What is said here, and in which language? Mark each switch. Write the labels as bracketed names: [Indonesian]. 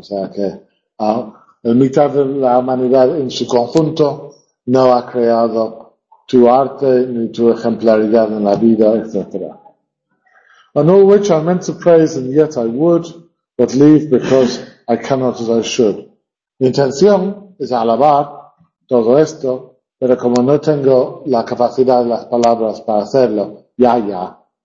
[Spanish] O sea que, el mitad de la humanidad en su conjunto no ha creado tu arte ni tu ejemplaridad en la vida, etc. [English] And all which I meant to praise and yet I would, but leave because I cannot as I should. [Spanish] Mi intención es alabar todo esto, pero como no tengo la capacidad de las palabras para hacerlo, ya.